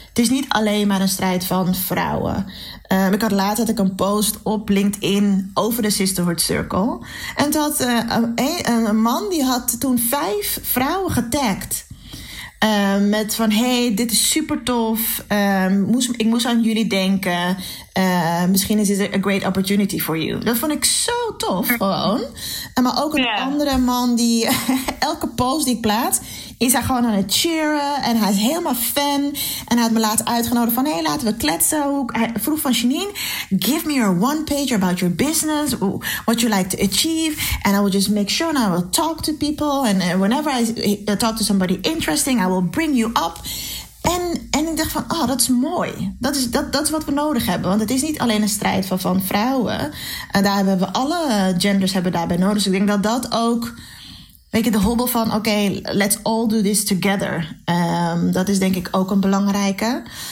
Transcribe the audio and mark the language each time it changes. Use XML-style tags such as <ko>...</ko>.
<nl>Het is niet alleen maar een strijd van vrouwen. Ik had laatst een post op LinkedIn over de Sisterhood Circle. En toen had een man die had toen 5 vrouwen getagd. Met van, hey, dit is super tof. Ik moest aan jullie denken. Misschien is dit</nl> <en>a great opportunity for you.</en> <nl>Dat vond ik zo tof gewoon. Maar ook een andere man die elke post die ik plaats is hij gewoon aan het cheeren. En hij is helemaal fan. En hij had me laatst uitgenodigd van, hey, laten we kletsen. Hij vroeg van,</nl> <en>Janine, give me your one page about your business. What you like to achieve. And I will just make sure and I will talk to people. And whenever I talk to somebody interesting, I will bring you up.</en> <nl>En ik dacht van, ah, dat is mooi. Dat is wat we nodig hebben. Want het is niet alleen een strijd van vrouwen. En daar hebben we alle genders hebben daarbij nodig. Dus ik denk dat dat ook, weet je, de hobbel van, oké,</nl> <en>let's all do this together.</en> <nl>Dat is denk ik ook een belangrijke.</nl>